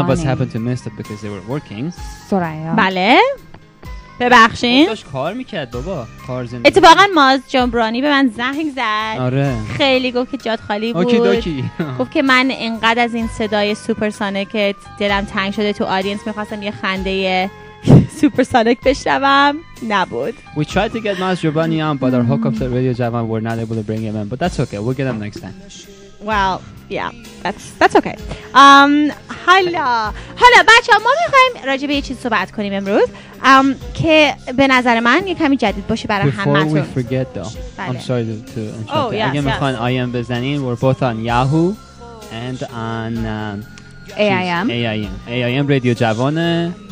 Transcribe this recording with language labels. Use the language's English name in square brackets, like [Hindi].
[English] Of us happened to miss it because they were working [Persian] سرعی ها بله ببخشین داشت کار میکرد بابا کار زندگی اتفاقا ماز جمبرانی به من زنگ زد آره خیلی گفت که جات خالی بود اوکی دوکی گفت که من انقدر از این صدای سوپر سانکت دلم تنگ شده تو آدینس میخواستم یه خنده سوپر سانک بشنوم نبود [English] We tried to get Maz Jobani on but our hookups at Radio Javan were not able to bring him in but that's okay we'll get him next time Well Yeah, that's okay. [Persian] حالا بچه ها ما میخواییم راجع به یه چیز صحبت کنیم امروز که به نظر من یه کمی جدید باشه برای همه تون [English] Before we forget though بله. I'm sorry to interrupt oh, yes, [Persian] اگه [English] yes. [Persian] میخواین IM بزنین [English] We're both on Yahoo and on AIM [Persian] رادیو جوانه